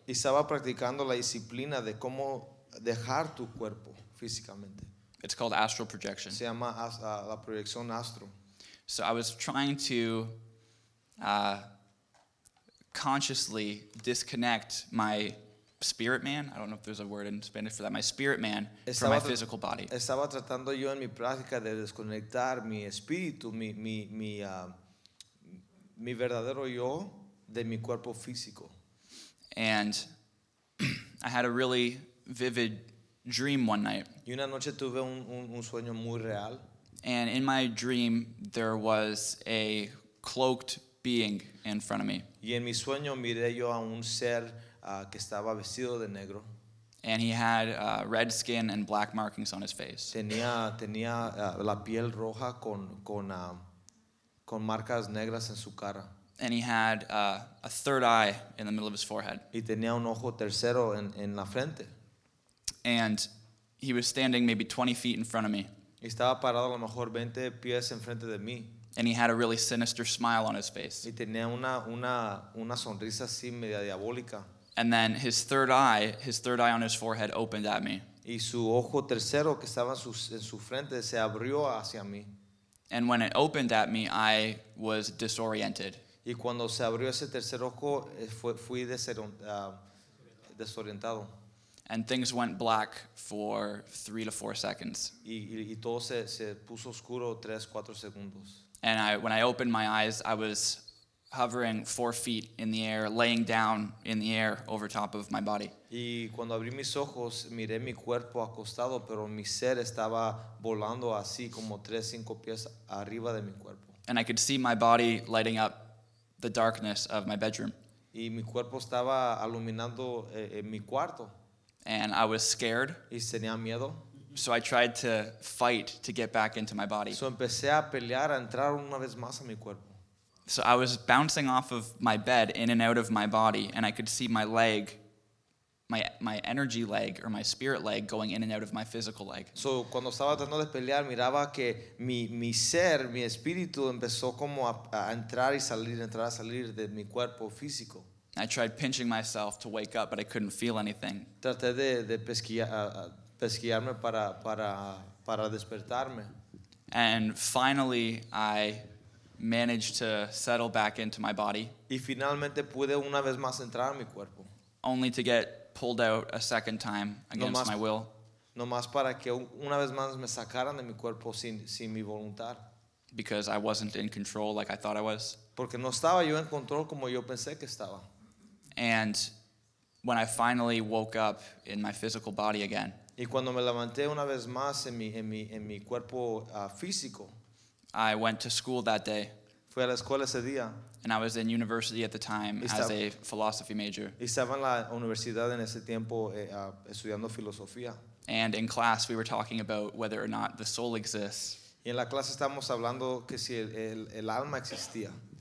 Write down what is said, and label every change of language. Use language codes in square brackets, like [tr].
[es] Y estaba practicando la disciplina de cómo dejar tu cuerpo físicamente. [en] It's called astral projection. [es] Se llama la proyección astro. [en] So I was trying to consciously disconnect my spirit man. I don't know if there's a word in Spanish for that. My spirit man from my physical body. [es] Estaba tratando yo en mi práctica de desconectar mi espíritu, mi verdadero yo de mi cuerpo físico. [en] And I had a really vivid dream one night. [es] Y una noche tuve un sueño muy real. [en] And in my dream, there was a cloaked being in front of me. [es] Y en mi sueño miré yo a un ser que estaba vestido de negro. [en] And he had red skin and black markings on his face. [es] Tenía la piel roja con marcas negras en su cara. [en] And he had a third eye in the middle of his forehead. [es] Y tenía un ojo tercero en la frente. [en] And he was standing maybe 20 feet in front of me. [es] Y estaba parado a lo mejor 20 pies en frente de mí. [en] And he had a really sinister smile on his face. [es] Y tenía una sonrisa así media diabólica. [en] And then his third eye on his forehead opened at me. [es] Y su ojo tercero que estaba en su frente se abrió hacia mí. [en] And when it opened at me, I was disoriented. [es] Y cuando se abrió ese tercer ojo, fui desorientado. [en] And things went black for 3 to 4 seconds. [es] Y todo se puso oscuro 3-4 segundos. [en] And when I opened my eyes, I was hovering 4 feet in the air, laying down in the air over top of my body. [es] Y cuando abrí mis ojos, miré mi cuerpo acostado, pero mi ser estaba volando así como 3-5 pies arriba de mi cuerpo. [en] And I could see my body lighting up the darkness of my bedroom. [es] Y mi cuerpo estaba iluminando mi cuarto. [en] And I was scared. [es] Y tenía miedo. [en] So I tried to fight to get back into my body. [es] So empecé a pelear a entrar una vez más a mi cuerpo. [en] So I was bouncing off of my bed in and out of my body, and I could see my leg, my energy leg or my spirit leg going in and out of my physical leg. [es] So cuando estaba tratando de pelear, miraba que mi ser, mi espíritu empezó como a entrar y salir de mi cuerpo físico. [en] I tried pinching myself to wake up, but I couldn't feel anything. [es] Traté de pesquillarme para despertarme. [en] And finally I managed to settle back into my body. [es] Y finalmente pude una vez más entrar a mi cuerpo. [en] Only to get pulled out a second time against my will. [es] No más para que una vez más me sacaran de mi cuerpo sin mi voluntad. [en] Because I wasn't in control like I thought I was. [es] Porque no estaba yo en control como yo pensé que estaba. [en] And when I finally woke up in my physical body again. [es] Y cuando me levanté una vez más en mi cuerpo físico. [en] I went to school that day. [es] Fui a la escuela ese día. [en] And I was in university at the time as a philosophy major. [es] Y estaba en la universidad en ese tiempo estudiando filosofía. [en] And in class we were talking about whether or not the soul exists. [es] Y en la clase estábamos hablando que si el alma existía.